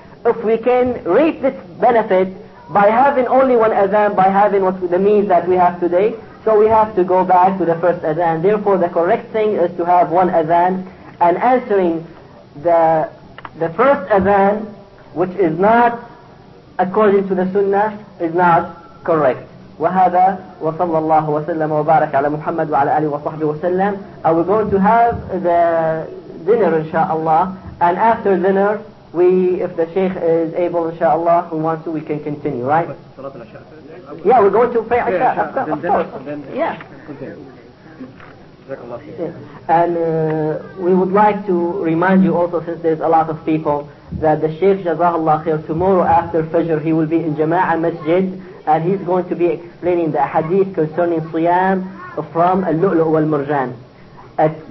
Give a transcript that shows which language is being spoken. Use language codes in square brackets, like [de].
[en] If we can reap this benefit by having only one Adhan, by having what the means that we have today, so we have to go back to the first Adhan. Therefore the correct thing is to have one Adhan, and answering the first Adhan which is not according to the sunnah is not correct. [ar] وهذا وصلى الله وسلم وبارك على محمد وعلى آله وصحبه وسلم. [en] Are we going to have the dinner inshallah, and after dinner we, if the sheikh is able inshallah, who wants to, we can continue, right? Yeah, we're going to pray عشاء. Yeah, of course. Yeah. And we would like to remind you also, since there's a lot of people, that the Sheikh Jazahullah Khair, tomorrow after Fajr he will be in Jama'ah Masjid and he's going to be explaining the hadith concerning Siyam from Al-Lu'lu' wal-Murjan.